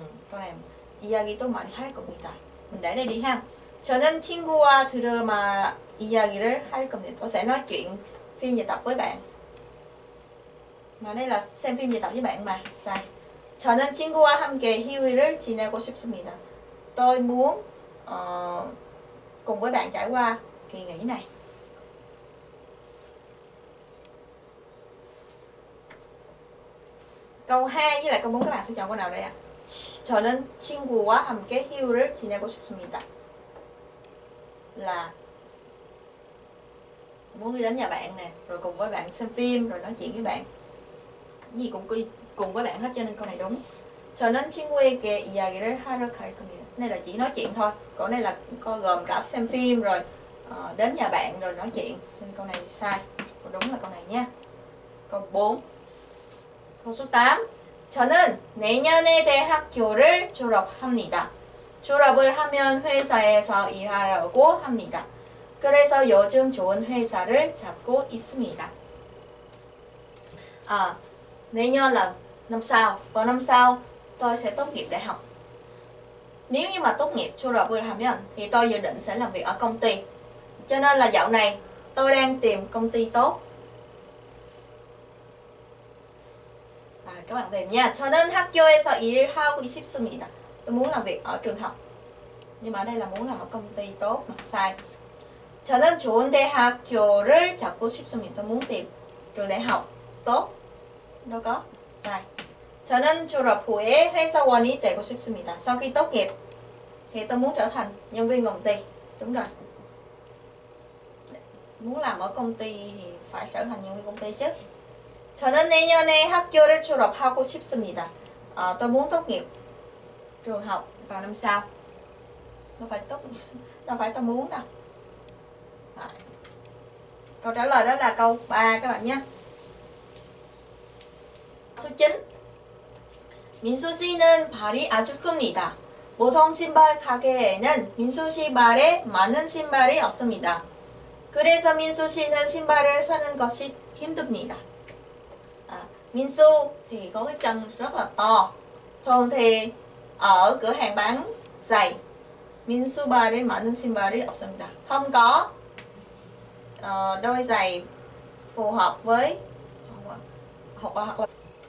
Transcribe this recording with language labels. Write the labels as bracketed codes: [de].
[ko] Con em 이야기도 많이 할 겁니다. [vi] Mình để đây đi ha. [ko] 저는 친구와 드라마 이야기를 할 겁니다. [vi] Tôi sẽ nói chuyện phim dài tập với bạn. Mà đây là xem phim dài tập với bạn mà. Sai. [ko] 저는 친구와 함께 휴일을 지내고 싶습니다. [vi] Tôi muốn cùng với bạn trải qua kỳ nghỉ này. Câu 2 với lại câu 4 các bạn sẽ chọn câu nào đây ạ? [ko] 저는 친구와 함께 휴일을 지내고 싶습니다. [vi] Là muốn đi đến nhà bạn nè, rồi cùng với bạn xem phim, rồi nói chuyện với bạn. Gì cũng cùng với bạn hết cho nên câu này đúng. [ko] 저는 친구에게 이야기를 하러 갈 겁니다. [vi] Này là chỉ nói chuyện thôi. Câu này là có gồm cả xem phim rồi đến nhà bạn rồi nói chuyện. Nên câu này sai. Câu đúng là câu này nha. Câu 4. Câu số 8. [ko] 저는 내년에 대학교를 졸업합니다. 졸업을 하면 회사에서 일하려고 합니다. 그래서 요즘 좋은 회사를 찾고 있습니다. [vi] 아, 내년 là năm sau. Vào năm sau, tôi sẽ tốt nghiệp đại học. Nếu như mà tốt nghiệp [ko] 졸업을 하면 [vi] thì tôi dự định sẽ làm việc ở công ty. Cho nên là dạo này, tôi đang tìm công ty tốt. À, các bạn tìm nha. [ko] 저는 학교에서 일하고 싶습니다. [vi] Tôi muốn làm việc ở trường học. Nhưng mà ở đây là muốn làm ở công ty tốt mà sai. [ko] 저는 좋은 대학교를 찾고 싶습니다. [vi] Tôi muốn tìm trường đại học tốt. Đâu có. Sai. [ko] 저는 졸업 후에 회사원이 되고 싶습니다. [vi] Sau khi tốt nghiệp thì tôi muốn trở thành nhân viên công ty. Đúng rồi. Muốn làm ở công ty thì phải trở thành nhân viên công ty chứ. [ko] 저는 내년에 학교를 졸업하고 싶습니다. [vi] Tôi muốn tốt nghiệp trường học vào năm sau. Đâu phải tôi muốn đâu. Câu trả lời đó là câu 3 các bạn nhé. Số 9. [ko] 민수 씨는 발이 아주 큽니다. 보통 신발 가게에는 민수 씨 발에 많은 신발이 없습니다. 그래서 민수 씨는 신발을 사는 것이 힘듭니다. [vi] 아, 민수 thì có cái chân rất là to. Thường thì ở cửa hàng bán giày, [ko] 민수 발에 많은 신발이 없습니다. [vi] Không có đôi giày phù hợp với hoặc là